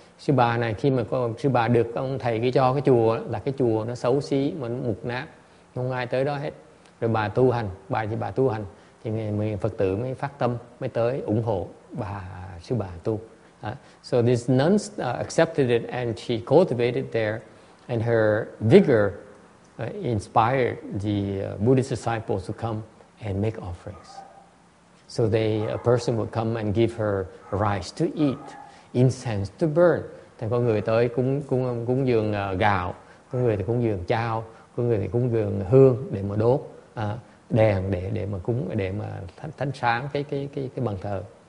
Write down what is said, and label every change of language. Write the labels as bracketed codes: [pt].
[vi] Sư bà này khi mà con sư bà được ông thầy cái cho cái chùa là cái chùa nó xấu xí, mà nó mục nát, không ai tới đó hết. Rồi bà tu hành, bà thì bà tu hành, thì người Phật tử mới phát tâm, mới tới ủng hộ bà sư bà tu. [en] So this nun accepted it and she cultivated there, and her vigor inspired the Buddhist disciples to come and make offerings. So they, a person would come and give her rice to eat, incense to burn. [vi] Thì có người tới cúng dường gạo, có người thì cúng dường chao, có người thì cúng dường hương để mà đốt đèn để mà cúng để mà thánh sáng cái bàn thờ.